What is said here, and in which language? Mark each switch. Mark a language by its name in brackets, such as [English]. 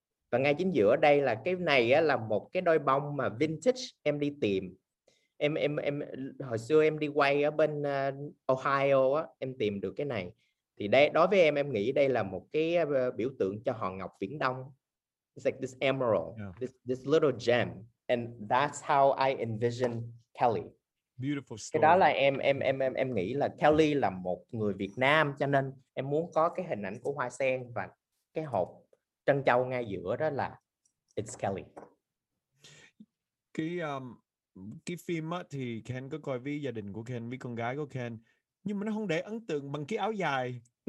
[Vietnamese] Và ngay chính giữa đây là cái này á, là một cái đôi bông mà vintage em đi tìm. Em hồi xưa em đi quay ở bên Ohio á, em tìm được cái này. Thì đây, đối với em nghĩ đây là một cái biểu tượng cho hòn ngọc Viễn Đông. [English] It's like this emerald, this little gem, and that's how I envision Kelly. Beautiful story. [Vietnamese] Cái đó là em nghĩ là Kelly là một người Việt Nam, cho nên em muốn có cái hình ảnh của hoa sen và cái hộp trân châu ngay giữa đó là [English] it's Kelly. [Vietnamese] Cái phim á thì Ken có coi với gia đình của Ken, với con gái của Ken, nhưng mà nó không để ấn tượng bằng cái áo dài.